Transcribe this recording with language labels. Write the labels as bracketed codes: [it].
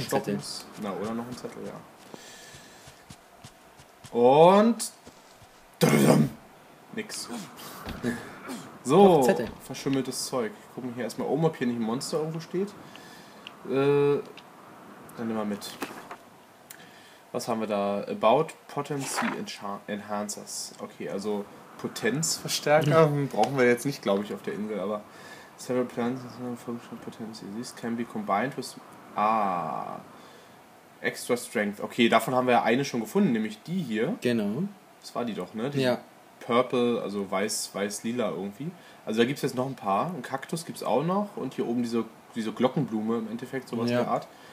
[de] stoppt uns? Na, oder noch ein Zettel, ja. Und. Drrrrrm. Nix. So, verschimmeltes Zeug. Gucken wir hier erstmal oben, ob hier nicht ein Monster irgendwo steht. Dann nehmen wir mit. Was haben wir da? [en] About Potency Enhancers. [de] Okay, also Potenzverstärker brauchen wir jetzt nicht, glaube ich, auf der Insel, aber. [en] Several plants and several functional potencies. These can be combined with... Ah. Extra Strength. [de] Okay, davon haben wir ja eine schon gefunden, nämlich die hier. Genau. Das war die doch, ne? Die ja. Purple, also weiß-lila irgendwie. Also da gibt es jetzt noch ein paar. Ein Kaktus gibt es auch noch. Und hier oben diese Glockenblume im Endeffekt, sowas der Art.